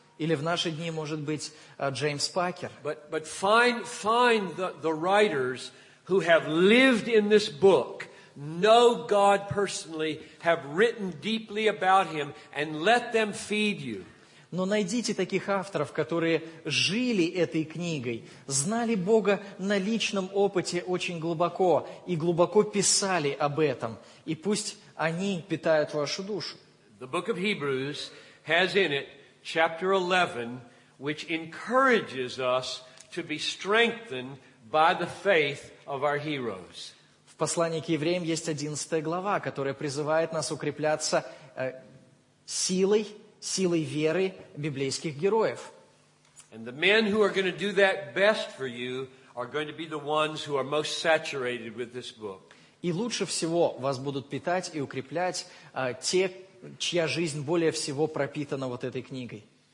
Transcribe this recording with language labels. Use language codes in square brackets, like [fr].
[ru] Или в наши дни может быть Джеймс Пакер. [en] But find the writers who have lived in this book, know God personally, have written deeply about him, and let them feed you. [ru] Но найдите таких авторов, которые жили этой книгой, знали Бога на личном опыте очень глубоко и глубоко писали об этом. И пусть они питают вашу душу. [en] The book of Hebrews has in it chapter 11, which encourages us to be strengthened by the faith of our heroes. [ru] В послании к евреям есть 11 глава, которая призывает нас укрепляться силой, силой веры библейских героев. [en] And the men who are going to do that best for you are going to be the ones who are most saturated with this book. [ru] И лучше всего вас будут питать и укреплять те, чья жизнь более всего пропитана вот этой книгой.